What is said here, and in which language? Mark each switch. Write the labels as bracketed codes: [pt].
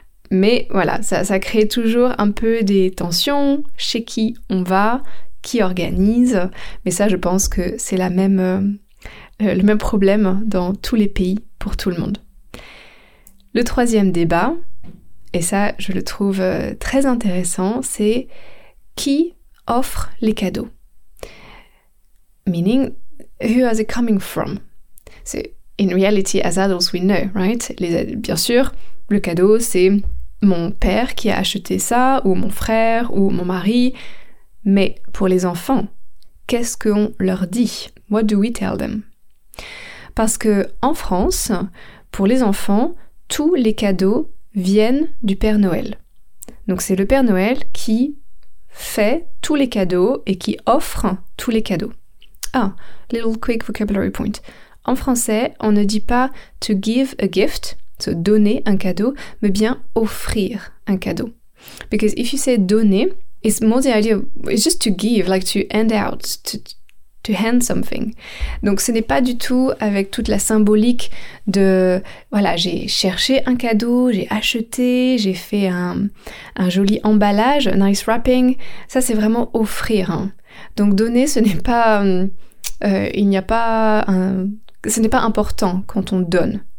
[fr] Mais voilà, ça crée toujours un peu des tensions, chez qui on va, qui organise, mais ça je pense que c'est le même problème dans tous les pays pour tout le monde. Le troisième débat, et ça je le trouve très intéressant, c'est qui offre les cadeaux? [en] Meaning, who are they coming from? C'est, in reality, as adults we know, right? [fr] Bien sûr, le cadeau c'est mon père qui a acheté ça, ou mon frère, ou mon mari. Mais pour les enfants, qu'est-ce qu'on leur dit? [en] What do we tell them? [fr] Parce que en France, pour les enfants, tous les cadeaux viennent du Père Noël. Donc c'est le Père Noël qui fait tous les cadeaux et qui offre tous les cadeaux. [en] Ah, little quick vocabulary point. [fr] En français, on ne dit pas [en] to give a gift, so [fr] donner un cadeau, mais bien offrir un cadeau. [en] Because if you say donner, it's more the idea, it's just to give, like to hand out, to hand something. [fr] Donc ce n'est pas du tout avec toute la symbolique de, voilà, j'ai cherché un cadeau, j'ai acheté, j'ai fait un joli emballage, [en] a nice wrapping. [fr] Ça c'est vraiment offrir. Hein. Donc donner, ce n'est pas, il n'y a pas, ce n'est pas important quand on donne.